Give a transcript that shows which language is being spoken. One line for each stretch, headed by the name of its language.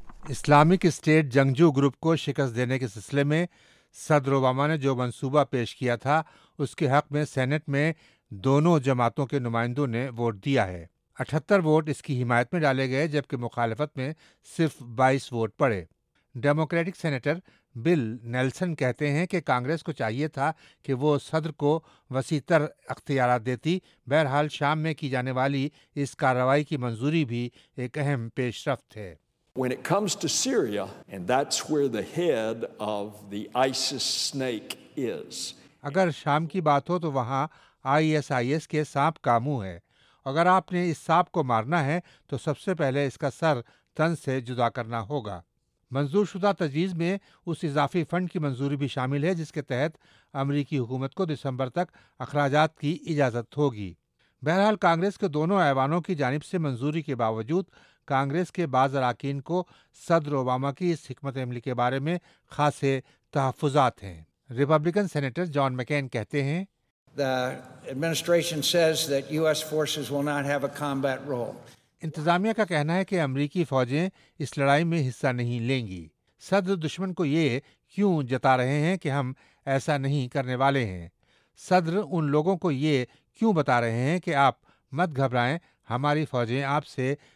Urdu: Islamic state جنگجو group کو شکست دینے کے سلسلے میں صدر اوباما نے جو منصوبہ پیش کیا تھا اس کے حق میں سینٹ میں دونوں جماعتوں کے نمائندوں نے ووٹ دیا ہے۔ 78 ووٹ اس کی حمایت میں ڈالے گئے جبکہ مخالفت میں صرف 22 ووٹ پڑے۔ ڈیموکریٹک سینیٹر بل نیلسن کہتے ہیں کہ کانگریس کو چاہیے تھا کہ وہ صدر کو وسیع تر اختیارات دیتی۔ بہرحال شام میں کی جانے والی اس کارروائی کی منظوری بھی ایک اہم پیش رفت ہے۔
English: When it comes to Syria, and that's where the head of the ISIS snake is.
Urdu: اگر شام کی بات ہو تو وہاں ISIS کے سانپ کا منہ ہے۔ اگر آپ نے اس سانپ کو مارنا ہے تو سب سے پہلے اس کا سر تن سے جدا کرنا ہوگا۔ منظور شدہ تجویز میں اس اضافی فنڈ کی منظوری بھی شامل ہے جس کے تحت امریکی حکومت کو دسمبر تک اخراجات کی اجازت ہوگی۔ بہرحال کانگریس کے دونوں ایوانوں کی جانب سے منظوری کے باوجود کانگریس کے بعض اراکین کو صدر اوباما کی اس حکمت عملی کے بارے میں خاصے تحفظات ہیں۔ ریپبلکن سینیٹر جان مکین کہتے ہیں
English: The administration says that US forces will not have a combat role.
Urdu: انتظامیہ کا کہنا ہے کہ امریکی فوجیں اس لڑائی میں حصہ نہیں لیں گی۔ صدر دشمن کو یہ کیوں جتا رہے ہیں کہ ہم ایسا نہیں کرنے والے ہیں؟ صدر ان لوگوں کو یہ کیوں بتا رہے ہیں کہ آپ مت گھبرائیں، ہماری فوجیں آپ سے